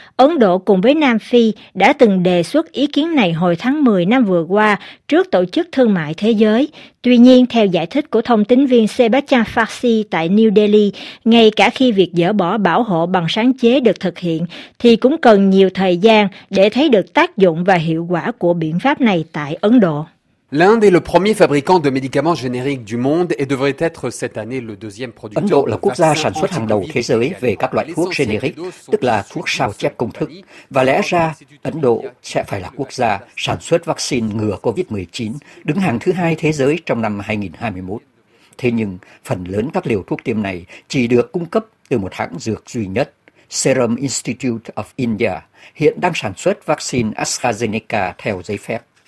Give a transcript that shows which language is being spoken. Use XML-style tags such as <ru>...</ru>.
<vi>Ấn Độ cùng với Nam Phi đã từng đề xuất ý kiến này hồi tháng 10 năm vừa qua trước Tổ chức Thương mại Thế giới. Tuy nhiên, theo giải thích của thông tín viên Sebastian Farsi tại New Delhi, ngay cả khi việc dỡ bỏ bảo hộ bằng sáng chế được thực hiện, thì cũng cần nhiều thời gian để thấy được tác dụng và hiệu quả của biện pháp này tại Ấn Độ.</vi> <fr>L'Inde est le premier fabricant de médicaments génériques du monde et devrait être cette année le deuxième producteur.</fr> <vi>Ấn Độ là quốc gia sản xuất hàng đầu thế giới về các loại thuốc générique, tức là thuốc sao chép công thức. Và lẽ ra, Ấn Độ sẽ phải là quốc gia sản xuất vaccine ngừa COVID-19, đứng hàng thứ hai thế giới trong năm 2021. Thế nhưng, phần lớn các liều thuốc tiêm này chỉ được cung cấp từ một hãng dược duy nhất, Serum Institute of India, hiện đang sản xuất vaccine AstraZeneca theo giấy phép.</vi>